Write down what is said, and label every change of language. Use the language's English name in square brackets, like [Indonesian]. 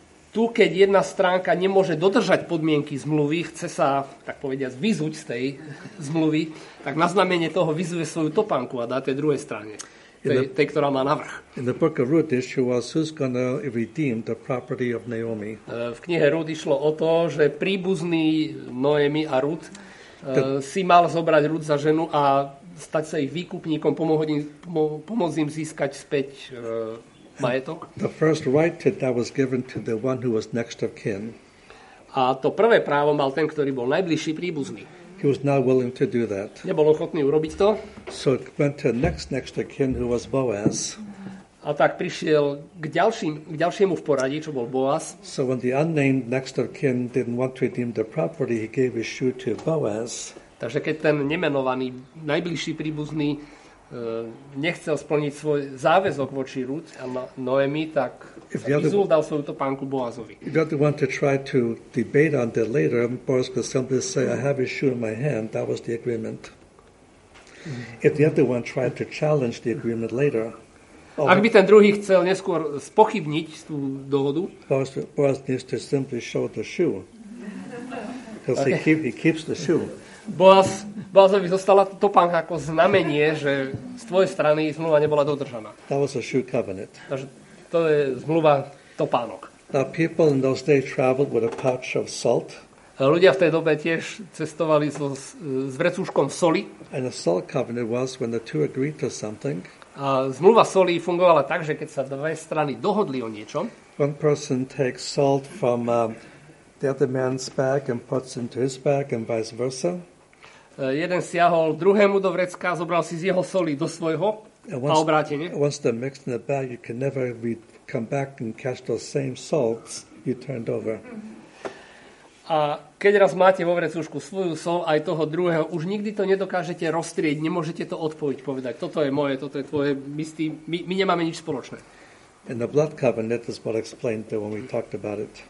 [Slovak] Tu, keď jedna stránka nemôže dodržať podmienky zmluvy, chce sa, tak povediac, vyzuť z tej zmluvy, tak na znamenie toho vyzuje svoju topánku a dá tej druhej strane. Tej, ktorá má navrch. [English] In the book of Ruth, issue was who's going to redeem the property of Naomi. [Slovak] V knihe Ruth išlo o to, že príbuzný Noemi a Ruth si mal zobrať Ruth za ženu a stať sa ich výkupníkom, pomôcť im získať späť majetok. [English] The first right to that was given to the one who was next of kin. [Slovak] A to prvé právo mal ten, ktorý bol najbližší príbuzný. [English] He was not willing to do that. [Slovak] Nebol ochotný urobiť to. [English] So it went to next to kin, who was Boaz. [Slovak] A tak prišiel k ďalšiemu v poradí, čo bol Boaz. [English] So when the unnamed next of kin didn't want to redeem the property, he gave his shoe to Boaz. [Slovak] Takže keď ten nemenovaný, najbližší príbuzný nechcel splniť svoj záväzok voči Ruth a Noemi, tak vyzul dal svoju topánku Boazovi. [English] If you want to try to debate on that later, Boaz could simply say, I have his shoe in my hand, that was the agreement. If the other one tried to challenge the agreement later, [Slovak] ak by ten druhý chcel neskôr spochybniť tú dohodu, [English] Boaz needs to simply show the shoe. Because okay. he keeps the shoe. [Slovak] Boazovi zostala topánka ako znamenie, že z tvojej strany zmluva nebola dodržaná. [English] That was a shoe covenant. [Slovak] Takže to je zmluva topánok. [English] Now people in those days traveled with a pouch of salt. [Slovak] Ľudia v tej dobe tiež cestovali s vrecúškom soli. [English] And a salt covenant was when the two agreed to something. [Slovak] A zmluva soli fungovala tak, že keď sa dve strany dohodli o niečom. [English] One person takes salt from the other man's bag and puts into his bag and vice versa. [Slovak] Jeden siahol druhému do vrecka, zobral si z jeho soli do svojho a obrátenie. [English] Once they're mixed in the bag, you can never come back and catch those same salts you turned over. [Slovak] A keď raz máte vo vrecúšku svoju sol aj toho druhého, už nikdy to nedokážete roztrieť, nemôžete to odpojiť, povedať. Toto je moje, toto je tvoje, my nemáme nič spoločné. [English] And the blood covenant is what I explained to when we talked about it.